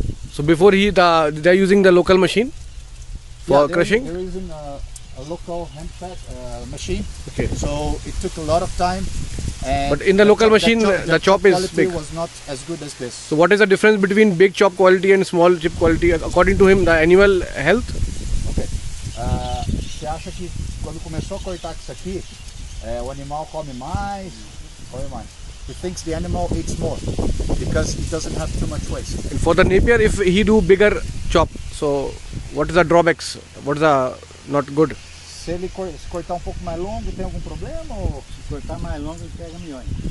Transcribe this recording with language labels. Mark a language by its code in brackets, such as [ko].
[en] So before they're using the local machine for crushing? Yeah, they're using a local hand pad machine. Okay. So it took a lot of time. And but in the local machine, the chop is big. Was not as good as this. So what is the difference between big chop quality and small chip quality? According to him, the animal health? Okay. [pt] Você acha que quando começou a cortar com isso aqui, o animal come mais? [en] He thinks the animal eats more because it doesn't have too much waste. And for the Napier, if he do bigger chop, so what is the drawbacks? What is the not good? [pt] Se ele cortar pouco mais longo, tem algum problema? Ou se cortar mais longo, ele pega melhor.